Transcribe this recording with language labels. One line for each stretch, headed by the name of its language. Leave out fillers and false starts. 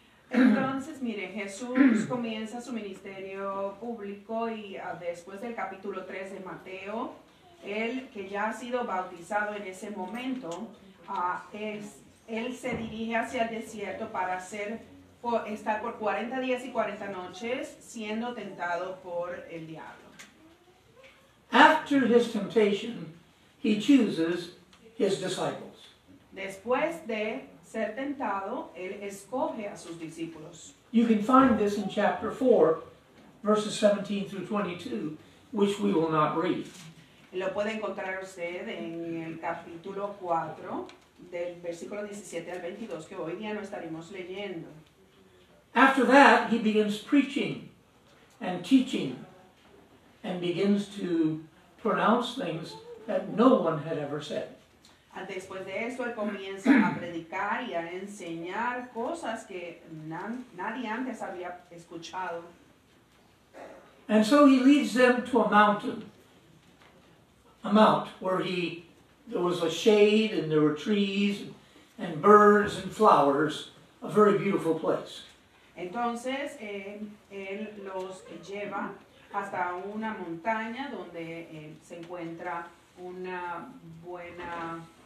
Spanish: Entonces, mire, Jesús comienza su ministerio público y después del capítulo 3 de Mateo, él que ya ha sido bautizado en ese momento, él se dirige hacia el desierto para estar por 40 días y 40 noches siendo tentado por el diablo.
English: After his temptation, he chooses his disciples.
Spanish: Después de ser tentado, él escoge a sus discípulos.
English: You can find this in chapter 4, verses 17 through 22, which we will not read.
Spanish: Lo puede encontrar usted en el capítulo 4, del versículo 17 al 22, que hoy día no estaremos leyendo.
English: After that, he begins preaching and teaching and begins to pronounce things that no one had ever said.
Spanish: Después de eso, él comienza a predicar y a enseñar cosas que nadie antes había escuchado.
English: And so he leads them to a mountain. A mount where there was a shade and there were trees and birds and flowers. A very beautiful place.
Spanish: Entonces, él los lleva hasta una montaña donde se encuentra una buena...